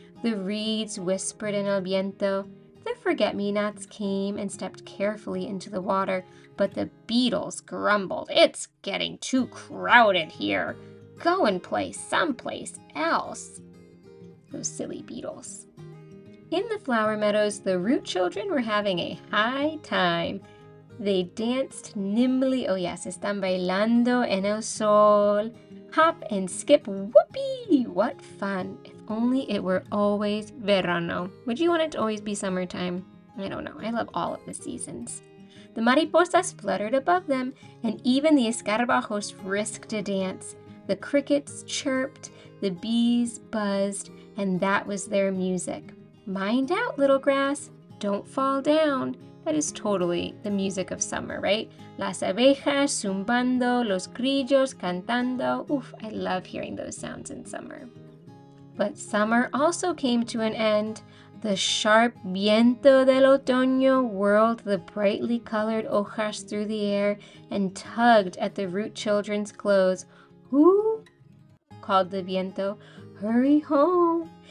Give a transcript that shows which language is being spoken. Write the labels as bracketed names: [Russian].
[English] The reeds whispered in [Spanish] el viento. [English] The forget-me-nots came and stepped carefully into the water, but the beetles grumbled, "It's getting too crowded here. Go and play someplace else." Those silly beetles. In the flower meadows, the root children were having a high time. They danced nimbly. Oh yes, [Spanish] están bailando en el sol. [English] Hop and skip, whoopee! What fun! If only it were always verano. Would you want it to always be summertime? I don't know. I love all of the seasons. The mariposas fluttered above them, and even the escarabajos risked a dance. The crickets chirped, the bees buzzed, and that was their music. Mind out, little grass, don't fall down. That is totally the music of summer, right? [Spanish] Las abejas zumbando, los grillos cantando. [English] Oof, I love hearing those sounds in summer. But summer also came to an end. The sharp [Spanish] viento del otoño [English] whirled the brightly colored hojas through the air and tugged at the root children's clothes. Ooh, called the viento, hurry home.